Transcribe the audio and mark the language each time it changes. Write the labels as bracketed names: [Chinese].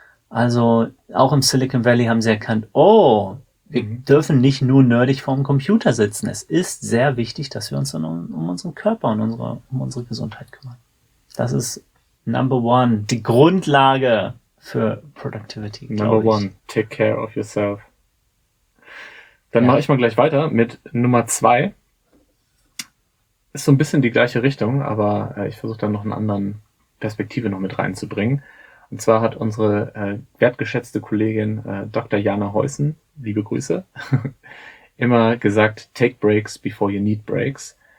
[German] Also, auch im Silicon Valley haben sie erkannt, wir dürfen nicht nur nerdig vorm Computer sitzen. Es ist sehr wichtig, dass wir uns um unseren Körper und unsere Gesundheit kümmern. Das ist number one, die Grundlage für Productivity. [English] Number one, take care of yourself. [German] Dann mache ich mal gleich weiter mit Nummer 2. Ist so ein bisschen die gleiche Richtung, aber ich versuche dann noch einen anderen Perspektive noch mit reinzubringen. Und zwar hat unsere wertgeschätzte Kollegin Dr. Jana Heusen, liebe Grüße, immer gesagt, [English] take breaks before you need breaks.